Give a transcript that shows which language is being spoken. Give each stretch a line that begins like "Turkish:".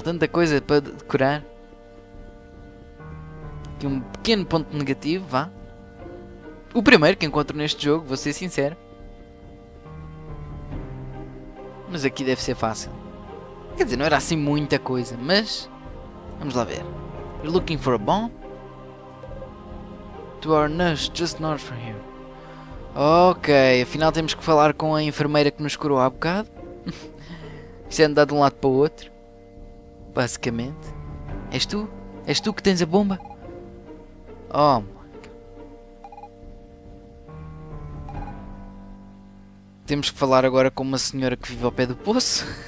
Portuguese: Tanta coisa para decorar. Aqui um pequeno ponto negativo, vá. O primeiro que encontro neste jogo, vou ser sincero. Mas aqui deve ser fácil. Quer dizer, não era assim muita coisa, mas... vamos lá ver.
English: You're looking for a bomb? To our nurse, just north from here.
Portuguese: Ok, afinal temos que falar com a enfermeira que nos curou há bocado. Isto é andar de um lado para o outro. Basicamente. És tu? És tu que tens a bomba? Oh, temos que falar agora com uma senhora que vive ao pé do poço.